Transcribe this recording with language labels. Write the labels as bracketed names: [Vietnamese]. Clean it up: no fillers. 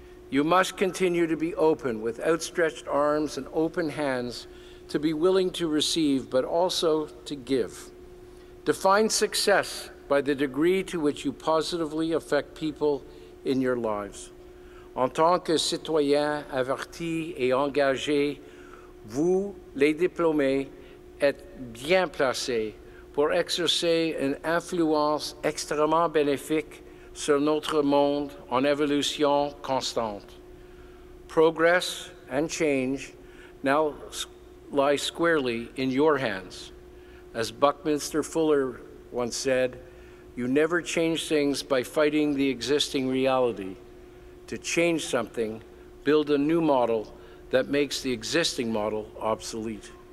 [English] You must continue to be open with outstretched arms and open hands to be willing to receive, but also to give. Define success by the degree to which you positively affect people in your lives. [French] En tant que citoyen averti et engagé, vous, les diplômés, êtes bien placés pour exercer une influence extrêmement bénéfique sur notre monde en évolution constante. [English] Progress and change now lie squarely in your hands. As Buckminster Fuller once said, you never change things by fighting the existing reality. To change something, build a new model that makes the existing model obsolete.